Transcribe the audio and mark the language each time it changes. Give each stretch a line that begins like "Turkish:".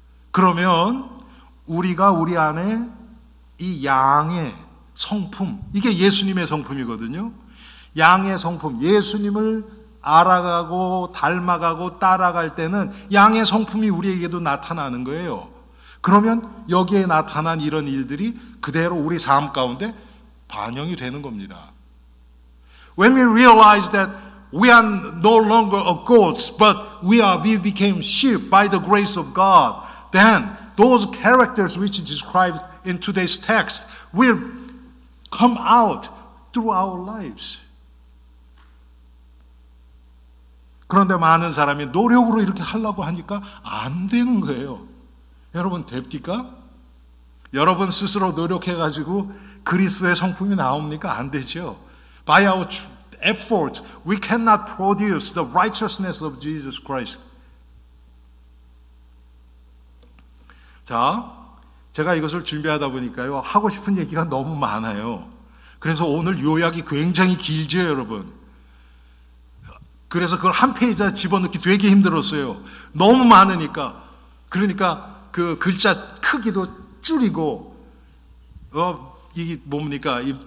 Korean: 그러면 우리가 우리 안에 이 양의 성품, 이게 예수님의 성품이거든요. 양의 성품, 예수님을 알아가고 닮아가고 따라갈 때는 양의 성품이 우리에게도 나타나는 거예요. 그러면 여기에 나타난 이런 일들이 그대로 우리 삶 가운데 반영이 되는 겁니다.
English: When we realize that we are no longer a goats, but we became sheep by the grace of God. Then those characters which is described in today's text will come out through our lives.
Korean: 그런데 많은 사람이 노력으로 이렇게 하려고 하니까 안 되는 거예요. 여러분, 됩니까? 여러분 스스로 노력해가지고 그리스도의 성품이 나옵니까? 안 되죠.
English: By our effort, we cannot produce the righteousness of Jesus Christ.
Korean: 자, 제가 이것을 준비하다 보니까요, 하고 싶은 얘기가 너무 많아요. 그래서 오늘 요약이 굉장히 길죠, 여러분. 그래서 그걸 한 페이지에 집어넣기 되게 힘들었어요. 너무 많으니까. 그러니까 그 글자 크기도 줄이고, 이게 뭡니까?